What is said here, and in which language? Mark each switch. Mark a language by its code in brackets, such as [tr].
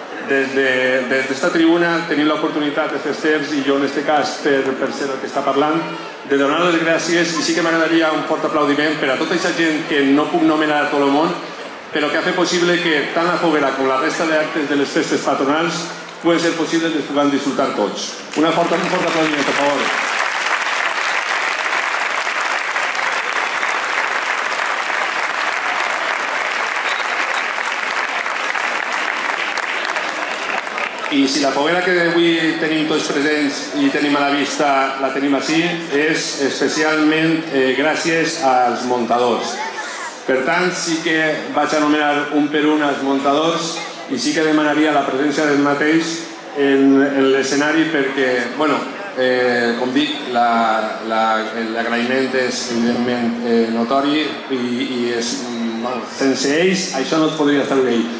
[ca] des d'esta tribuna tenim l'oportunitat de fer certs, i jo en este cas, per ser el que està parlant, de donar les gràcies, i sí que m'agradaria un fort aplaudiment per a tota aquesta gent que no puc nomenar a tot el món, però que ha fet possible que tant la foguera com la resta d'actes de les festes patronals [es] puede ser posible que puedan disfrutar todos. Una fuerte, un fuerte aplaudimiento, por favor. Y si la foguera que hoy tenemos todos presentes y tenemos a la vista, la tenemos así, es especialmente gracias a los montadores. [ca] Por tanto, sí que vaig a nominar [es] un por uno a los montadores [ca] y sí que demanaría la presencia del mateix en l'escenari perquè, com dic, l'agraïment és evidentment notori i sense ells això no es podria estar bé.